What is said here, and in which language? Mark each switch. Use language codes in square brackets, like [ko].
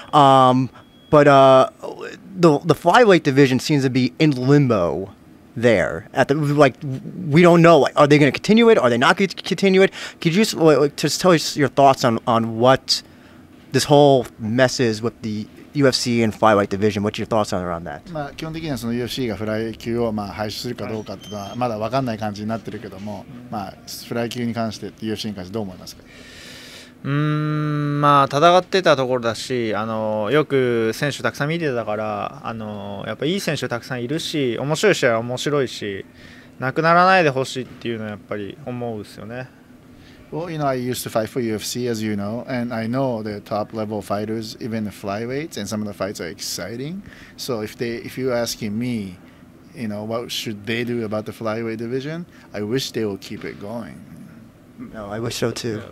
[en] But the flyweight division seems to be in limbo there. We don't know. Like, are they going to continue it? Are they not going to continue it? Could you just tell us your thoughts on what this whole mess is with the UFC and flyweight division. What's your thoughts on around that? [ja] まあ基本的にはその UFC がフライ級をまあ廃止するかどうかっていうのはまだ分かんない感じになってるけども、まあフライ級に関して UFC に関してどう思いますか？まあ戦ってたところだし、よく選手たくさん見てたから、やっぱいい選手たくさんいるし、面白い試合は面白いし、なくならないでほしいっていうのはやっぱり思うんですよね。 [en] Well, you know, I used to fight for UFC, as you know, and I know the top level fighters, even the flyweights, and some of the fights are exciting. So if you're asking me, you know, what should they do about the flyweight division, I wish they will keep it going. No, I wish so too.